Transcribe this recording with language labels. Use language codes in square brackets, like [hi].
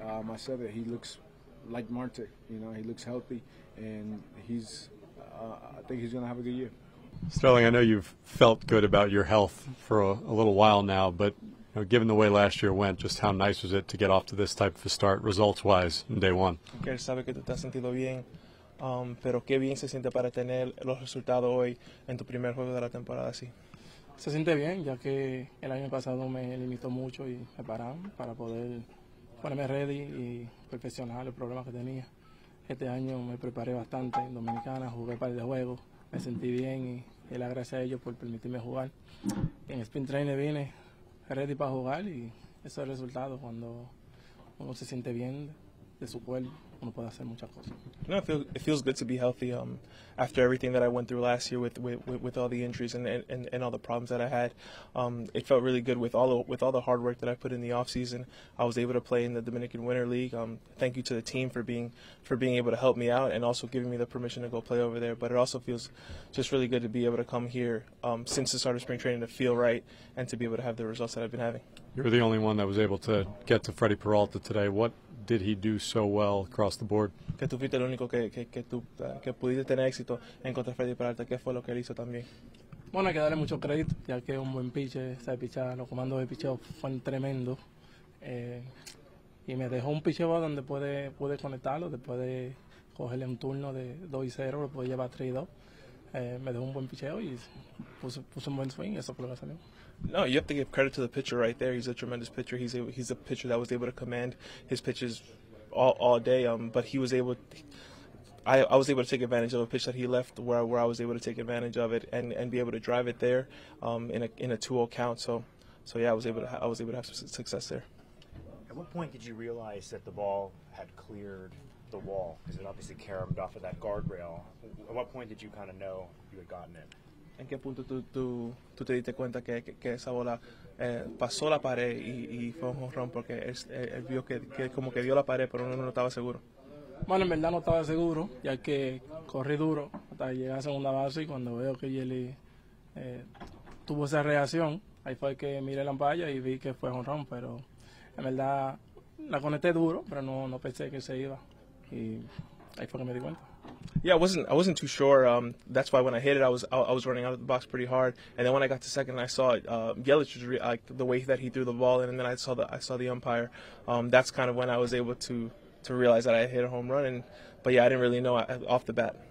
[en] I said that he looks like Marte, you know, he looks healthy, and he's, I think he's going to have a good year. Starling, I know you've felt good about your health for a little while now, but you know, given the way last year went, just how nice was it to get off to this type of a start results-wise in day one? [es] Okay, sabe que tú estás sintiendo bien, pero qué bien se siente para tener los resultados hoy en tu primer juego de la temporada, sí. Se siente bien, ya que el año pasado me limitó mucho y me pararon para poder ponerme ready y perfeccionar los problemas que tenía. Este año me preparé bastante en Dominicana, jugué un par de juegos, me sentí bien y le doy gracias a ellos por permitirme jugar. En Spring Training vine ready para jugar y eso es el resultado cuando uno se siente bien de su cuerpo. [en] You know, it feels good to be healthy after everything that I went through last year with all the injuries and all the problems that I had. It felt really good with all the hard work that I put in the offseason. I was able to play in the Dominican Winter League. Thank you to the team for being able to help me out and also giving me the permission to go play over there. But it also feels just really good to be able to come here since the start of spring training to feel right and to be able to have the results that I've been having. You were the only one that was able to get to Freddy Peralta today. What did he do so well across the board? [es] Que tú fuiste el único que pudiste tener éxito en contra Freddy Peralta. ¿Qué fue lo que él hizo también? Bueno, hay que darle mucho crédito, ya que es un buen pitcher, sabe pichar. Los comandos de picheo fueron tremendos. Y me dejó un picheo donde pude conectarlo, después de cogerle un turno de 2-0, lo pude llevar 3-2. Me dejó un buen picheo y puso un buen swing, eso fue lo que salió. [en] No, you have to give credit to the pitcher right there. He's a tremendous pitcher. He's a pitcher that was able to command his pitches all day. But he was able I was able to take advantage of a pitch that he left where I was able to take advantage of it and be able to drive it there in a 2-0 count. So yeah, I was able to have some success there. At what point did you realize that the ball had cleared the wall? Because it obviously caromed off of that guardrail. At what point did you kind of know you had gotten it? [es] ¿En qué punto tú te diste cuenta que esa bola pasó la pared y fue un jonrón? Porque él vio que como que dio la pared, pero uno no estaba seguro. Bueno, en verdad no estaba seguro, ya que corrí duro hasta llegar a segunda base y cuando veo que Yeli tuvo esa reacción, ahí fue que miré la ampalla y vi que fue un jonrón, pero en verdad la conecté duro, pero no pensé que se iba y ahí fue que me di cuenta. [en] Yeah, I wasn't too sure. That's why when I hit it, I was running out of the box pretty hard. And then when I got to second, I saw Yelich, like the way that he threw the ball in, and then I saw the umpire. That's kind of when I was able to realize that I hit a home run. But yeah, I didn't really know off the bat.